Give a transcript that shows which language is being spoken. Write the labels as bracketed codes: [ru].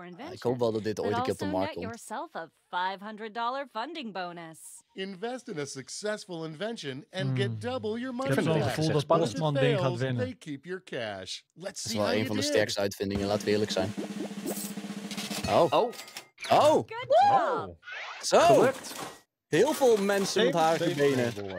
[nl] Ik hoop wel dat dit ooit een keer op de markt komt. [en] $500 funding bonus. Invest in a successful invention and get double your money. [nl] Ik heb zo'n gevoel dat postmand ding gaat winnen. Dat is wel een van de sterkste uitvindingen, laten we eerlijk zijn. Oh! Zo! Gelukt. Heel veel mensen met haar benen.